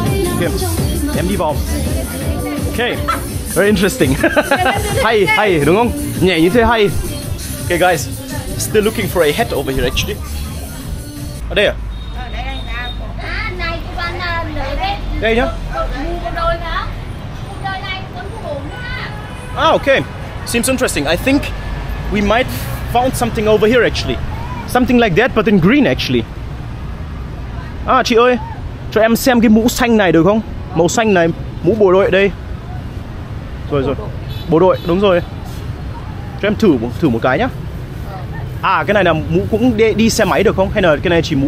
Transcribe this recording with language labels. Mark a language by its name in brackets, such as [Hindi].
[Vietnamese] Okay. Em đi vào. Ok. [English] Very interesting. [Vietnamese] Hay, hay, đúng không? Nhẹ như thế hay. [English] Ok guys, still looking for a hat over here actually. [Vietnamese] Ở đây à? Ở đây anh nào. À, này của bạn là nữ đấy. Đây nhá. Mua đôi nữa. Mua đôi này còn có bốn nữa. [English] Ah, ok. Seems interesting. I think we might found something over here actually. Something like that but in green actually. [Vietnamese] À, chị ơi, cho em xem cái mũ xanh này được không? Màu xanh này, mũ bộ đội đây. Rồi rồi, bộ đội, đúng rồi. Cho em thử một cái nhá. À, cái này là mũ cũng đi xe máy được không? Hay là cái này chỉ mũ...